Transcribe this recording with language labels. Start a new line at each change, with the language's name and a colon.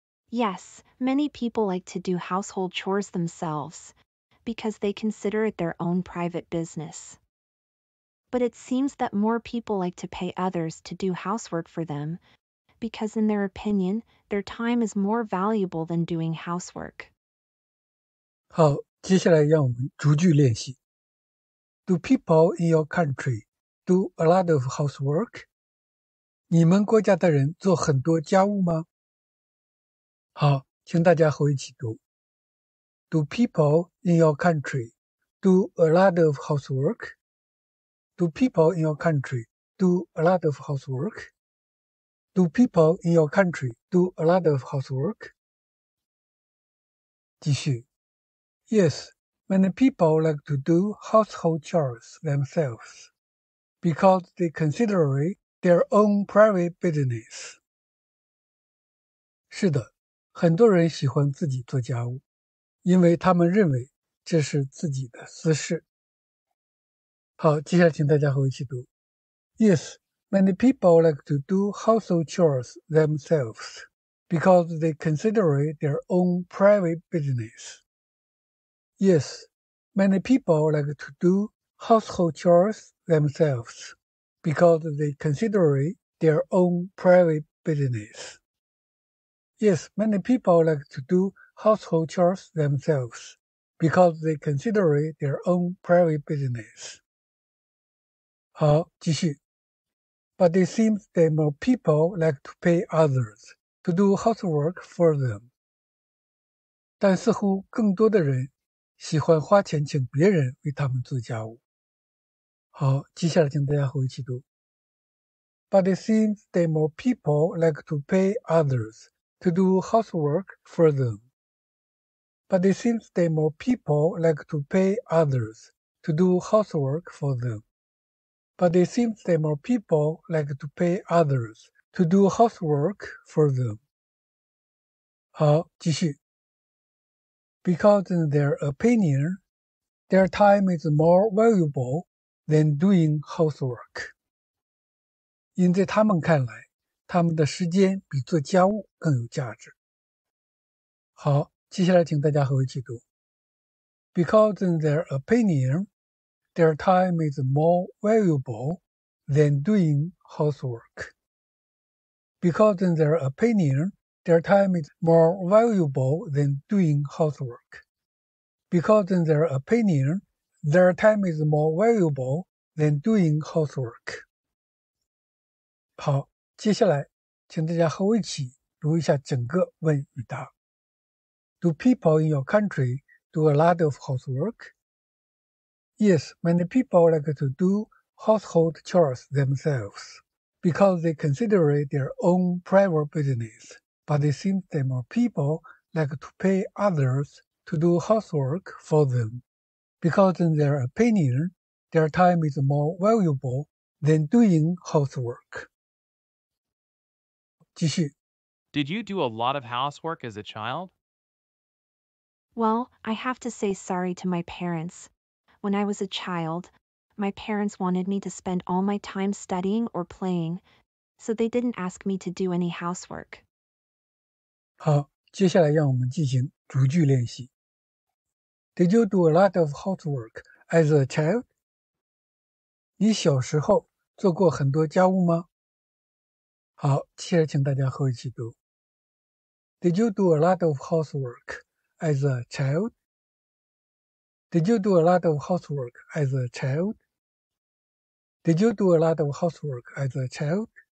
English: Yes, many people like to do household chores themselves because they consider it their own private business. But it seems that more people like to pay others to do housework for them, because in their opinion, their time is more valuable than doing housework.
Chinese: 好，接下来让我们逐句练习。
English: Do people in your country do a lot of housework?
Chinese: 你们国家的人做很多家务吗？好，请大家和我一起读。
English: Do people in your country do a lot of housework? Do people in your country do a lot of housework? Do people in your country do a lot of housework?
Chinese: 继续。
English: Yes, many people like to do household chores themselves because they consider it their own private business.
Chinese: 是的，很多人喜欢自己做家务，因为他们认为这是自己的私事。好，接下来请大家和我一起读。
English: Yes. Many people like to do household chores themselves because they consider it their own private business. Yes, many people like to do household chores themselves because they consider it their own private business. Yes, many people like to do household chores themselves because they consider it their own private business.
Chinese: 好，继续。
English: But it seems that more people like to pay others to do housework for them.
Chinese: 但似乎更多的人喜欢花钱请别人为他们做家务。好，接下来请大家和我一起读。
English: But it seems that more people like to pay others to do housework for them. But it seems that more people like to pay others to do housework for them. But it seems that more people like to pay others to do housework for them.
Chinese: 好，继续。
English: Because in their opinion, their time is more valuable than doing housework.
Chinese: 因在他们看来，他们的时间比做家务更有价值。好，接下来请大家和我一起读。
English: Because in their opinion,Their time is more valuable than doing housework. Because in their opinion, their time is more valuable than doing housework. Because in their opinion, their time is more valuable than doing housework.
Chinese: 好，接下来，请大家和我一起读一下整个问与答。
English: Do people in your country do a lot of housework? Yes, many people like to do household chores themselves because they consider it their own private business. But it seems that more people like to pay others to do housework for them because in their opinion, their time is more valuable than doing housework.
Chinese: 继续。
English: Did you do a lot of housework as a child? Well, I have to say sorry to my parents. When I was a child, my parents wanted me to spend all my time studying or playing, so they didn't ask me to do any housework.
Chinese: 好，接下来让我们进行逐句练习。
English: Did you do a lot of housework as a child?
Chinese: 你小时候做过很多家务吗？好，接下来请大家和我一起读。
English: Did you do a lot of housework as a child? Did you do a lot of housework as a child? Did you do a lot of housework as a child?